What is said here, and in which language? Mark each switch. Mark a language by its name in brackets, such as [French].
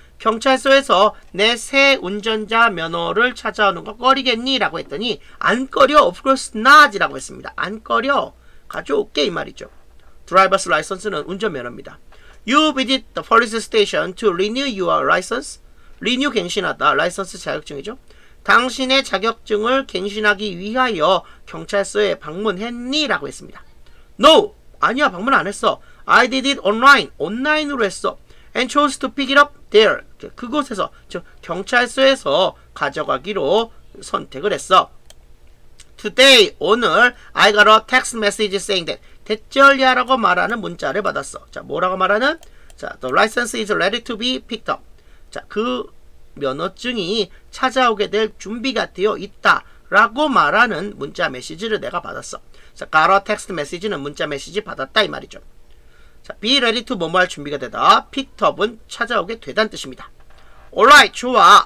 [Korean] 경찰서에서 내 새 운전자 면허를 찾아오는 거 꺼리겠니? 라고 했더니 안 꺼려, [English] of course not [Korean] 이라고 했습니다. 안 꺼려, 가져올게 이 말이죠. driver's license는 운전면허입니다. [English] You visit the police station to renew your license? [Korean] renew 갱신하다, 라이선스 자격증이죠? 당신의 자격증을 갱신하기 위하여 경찰서에 방문했니? 라고 했습니다. [English] No! [Korean] 아니야, 방문 안 했어. [English] I did it online. [Korean] 온라인으로 했어. [English] And chose to pick it up there. [Korean] 그곳에서, 즉 경찰서에서 가져가기로 선택을 했어. [English] Today, [Korean] 오늘 [English] I got a text message saying that [Korean] 대절야라고 말하는 문자를 받았어. 자, 뭐라고 말하는? [English] 자, the license is ready to be picked up. [Korean] 자, 그 면허증이 찾아오게 될 준비가 되어 있다 라고 말하는 문자 메시지를 내가 받았어. 자, got a text message는 문자 메시지 받았다 이 말이죠. 자, be ready to 뭐뭐 할 준비가 되다. picked up은 찾아오게 되다는 뜻입니다. alright, 좋아.